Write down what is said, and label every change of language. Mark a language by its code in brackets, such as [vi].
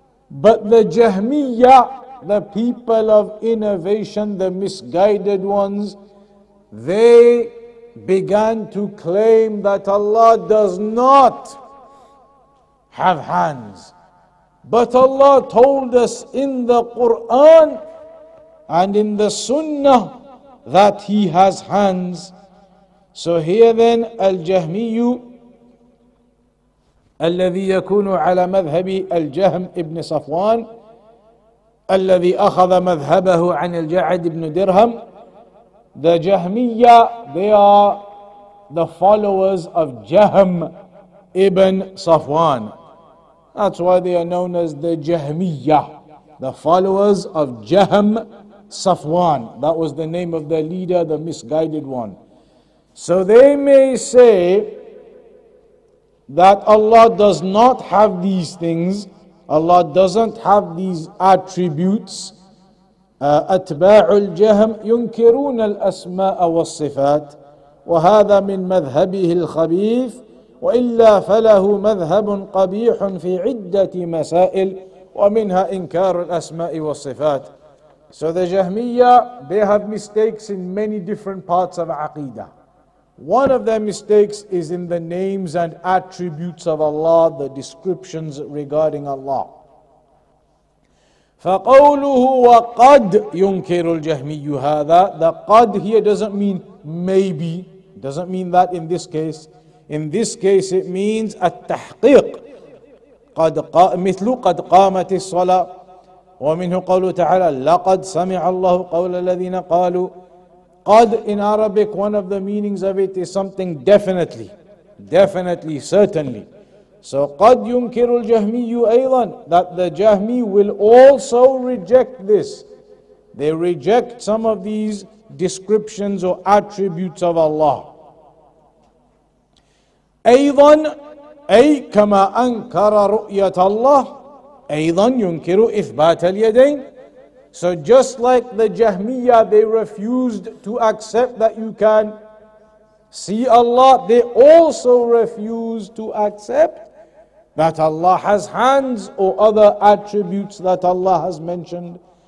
[en] But the Jahmiyya, the people of innovation, the misguided ones, they began to claim that Allah does not have hands. But Allah told us in the Quran and in the Sunnah that He has hands. So here then, Al-Jahmiyyu, [ar] الذي يكون على مذهب الجهم ابن صفوان الذي أخذ مذهبه عن الجعد ابن درهم. [en] The Jahmiyya, they are the followers of Jahm ibn Safwan. That's why they are known as the Jahmiyya, the followers of Jahm Safwan. That was the name of the leader, the misguided one. So they may say that Allah does not have these things, Allah doesn't have these attributes. [ar] أَتْبَاعُ الْجَهْمِ يُنْكِرُونَ الْأَسْمَاءَ وَالصِّفَاتِ وَهَذَا مِنْ مَذْهَبِهِ الْخَبِيثِ وَإِلَّا فَلَهُ مَذْهَبٌ قَبِيحٌ فِي عِدَّةِ مَسَائِلِ وَمِنْهَا إِنْكَارُ الْأَسْمَاءِ وَالصِّفَاتِ. [en] So the Jahmiyya, they have mistakes in many different parts of Aqeedah. One of their mistakes is in the names and attributes of Allah, the descriptions regarding Allah. [ar] فقوله وقد ينكر الجهمي هذا. [en] The قد here doesn't mean maybe, doesn't mean that in this case. In this case it means [ar] التحقيق. قد مثل قد قامت الصلاة. ومنه قوله تعالى لقد سمع الله قول الذين قالوا. [en] قد in Arabic, one of the meanings of it is something definitely, definitely, certainly. So [ar] قد ينكر الجهمي أيضا, [en] that the Jahmi will also reject this. They reject some of these descriptions or attributes of Allah. [ar] أيضا أي كما أنكر رؤية الله أيضا ينكر إثبات اليدين. [en] So just like the Jahmiyyah, they refused to accept that you can see Allah, they also refused to accept that Allah has hands or other attributes that Allah has mentioned.